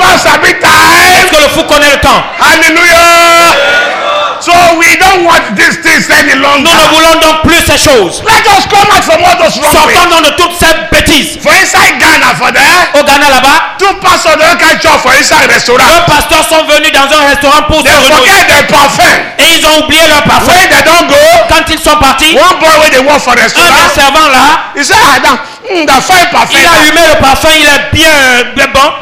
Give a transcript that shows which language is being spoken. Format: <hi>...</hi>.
<fr>Est-ce que le fou connaît le temps?</fr> <en>Hallelujah. So we don't want these things any longer.</en> <fr>Nous ne voulons donc plus ces choses.</fr> <en>Let us come out from all those wrong</en> <fr>ways. Sortons de toutes ces bêtises.</fr> <en>For inside Ghana, for there.</en> <fr>Au Ghana là-bas.</fr> <en>Two pastors don't get job for inside restaurant.</en> <fr>Deux pasteurs sont venus dans un restaurant pour</fr> <en>they</en> <fr>se renouveler.</fr> <en>They forget their parfum.</en> <fr>Et ils ont oublié leur parfum.</fr> <en>When they don't go.</en> <fr>Quand ils sont partis.</fr> <en>One boy when they work for restaurant.</en> <fr>Un servant là.</fr> <en>He said, ah, that fine parfum.</en> <fr>Il a humé le parfum, il est bien, bien bon.</fr>